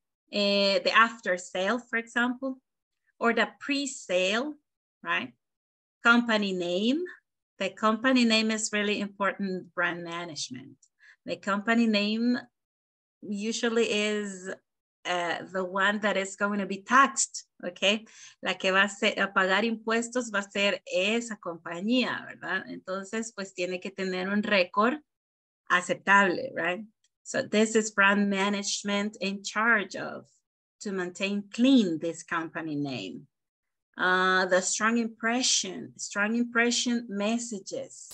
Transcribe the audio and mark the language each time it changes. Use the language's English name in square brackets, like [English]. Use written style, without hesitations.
[English] the after sale, for example, or the pre-sale, right? Company name. The company name is really important in brand management. The company name usually is the one that is going to be taxed, okay? [Spanish] La que va a, ser, a pagar impuestos va a ser esa compañía, ¿verdad? Entonces, pues tiene que tener un récord aceptable, [English] right? So this is brand management in charge of to maintain clean this company name. The strong impression messages.